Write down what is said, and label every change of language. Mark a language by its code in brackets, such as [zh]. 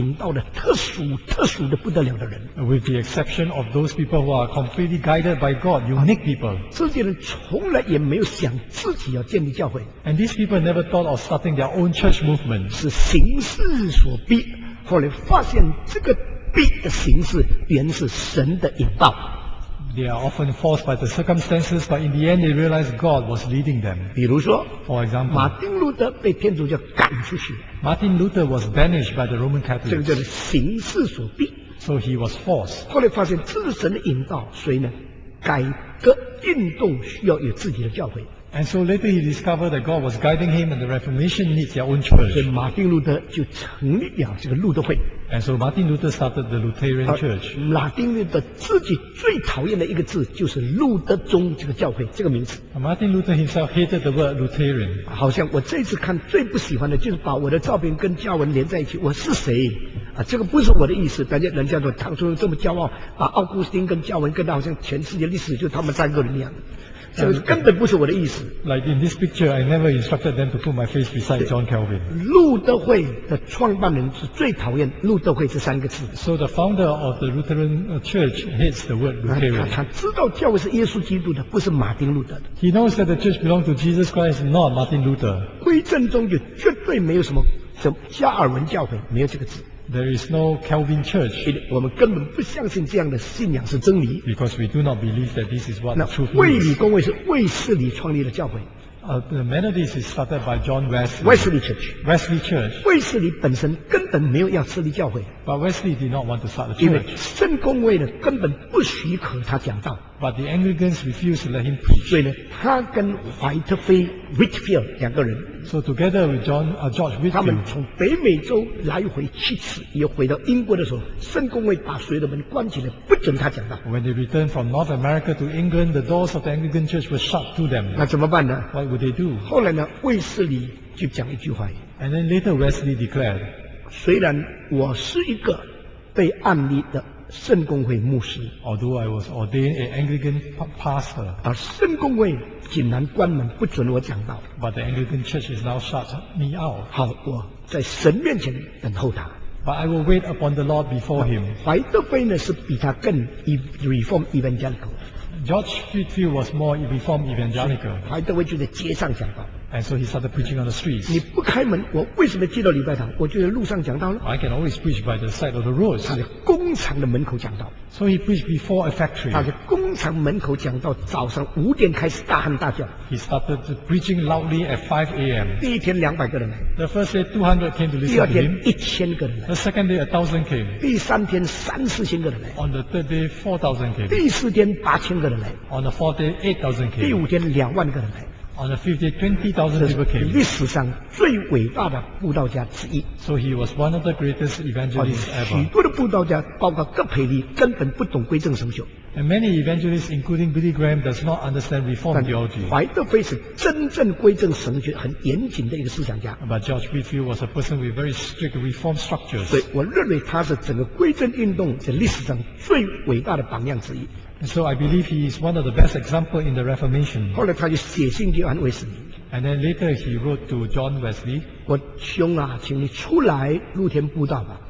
[zh] 除非有一些很特别蒙上帝引导的特殊的不得了的人。 [en] With the exception of those people who are completely guided by God, unique people. [zh] 这些人从来也没有想自己要建立教会。 [en] And these people never thought of starting their own church movement. [zh] 是形势所逼, 后来发现这个逼的形式原是神的引导。 [en] They are often forced by the circumstances, but in the end they realize God was leading them. [zh] 比如说, [en] for example, Martin Luther was banished by the Roman Catholics. [zh] 这个叫做形势所逼, [en] so he was forced. [zh] 后来发现这是神的引导, 所以呢, 改革运动需要有自己的教会。 [en] And so later he discovered that God was guiding him and the Reformation needs their own church. [zh] 所以马丁路德就成立了这个路德会。 [en] And so Martin Luther started the Lutheran Church. [zh] 马丁路德自己最讨厌的一个字就是路德宗这个教会这个名字。 [en] Martin Luther himself hated the word Lutheran. [zh] 好像我这次看最不喜欢的就是把我的照片跟教文连在一起，我是谁？啊，这个不是我的意思，人家说唐崇荣这么骄傲，把奥古斯丁跟教文跟的好像全世界历史就他们三个人一样，这个根本不是我的意思。 [en] Like in this picture, I never instructed them to put my face beside John Calvin. [zh] 路德会的创办人是最讨厌路德会这三个字。 [en] So the founder of the Lutheran Church hates the word Lutheran. [zh] 他知道教会是耶稣基督的，不是马丁路德的。 [en] He knows that the church belongs to Jesus Christ, not Martin Luther. [zh] 归正宗就绝对没有什么什加尔文教会，没有这个字。 [en] There is no Calvin Church. [zh] 我们根本不相信这样的信仰是真理。 [en] Because we do not believe that this is what the truth is. [zh] 卫理公会是卫斯理创立的教会。 [en] The Methodist is started by John Wesley. Wesley Church. Wesley Church. [zh] 卫斯理本身根本没有要设立教会。 [en] But Wesley did not want to start a church. [zh] 因为圣公会呢根本不许可他讲道。 [en] But the Anglicans refused to let him preach. [zh] 所以呢，他跟怀特菲 Whitfield 两个人。 [en] So together with John, George Whitfield, [zh] 他们从北美洲来回七次，也回到英国的时候，圣公会把所有的门关起来，不准他讲道。 [en] When they returned from North America to England, the doors of the Anglican Church were shut to them. [zh] 那怎么办呢？ [en] What would they do? [zh] 后来呢，卫斯理就讲一句话。 [en] And then later Wesley declared, [zh] 虽然我是一个被暗立的圣公会牧师， [en] although I was ordained an Anglican pastor, [zh] 而圣公会竟然关门不准我讲道， [en] but the Anglican church is now shut me out. [zh] 好，我在神面前等候他。 [en] But I will wait upon the Lord before him. [zh] 怀特菲呢是比他更 [en] reform evangelical. George Whitfield was more reform evangelical. [zh] 怀特菲就在街上讲道。 [en] And so he started preaching on the streets. [zh] 你不开门，我为什么进到礼拜堂？我就在路上讲道了。 [en] I can always preach by the side of the road. [zh] 他在工厂的门口讲道。 [en] So he preached before a factory. [zh] 他在工厂门口讲道，早上五点开始大喊大叫。 [en] He started preaching loudly at 5 a.m. [zh] 第一天200个人来。 [en] The first day 200 came to listen to him. [zh] 第二天1000个人来。 [en] The second day 1,000 came. [zh] 第三天3,000-4,000个人来。 [en] On the third day 4,000 came. [zh] 第四天8,000个人来。 [en] On the fourth day 8,000 came. [zh] 第五天20,000个人来。 [en] On the fifth day, 20,000 people came. [zh] 历史上最伟大的布道家之一。 [en] So he was one of the greatest evangelists ever. [zh] 许多的布道家，包括哥培利，根本不懂归正神学。 [en] And many evangelists, including Billy Graham, does not understand Reform theology. [zh] 怀特菲是真正归正神学很严谨的一个思想家。 [en] But George Whitfield was a person with very strict Reform structures. [zh] 所以我认为他是整个归正运动在历史上最伟大的榜样之一。 [en] And so I believe he is one of the best examples in the Reformation. [zh] 后来他就写信给安慰斯理。 [en] And then later he wrote to John Wesley. [zh] 我兄啊，请你出来露天布道吧。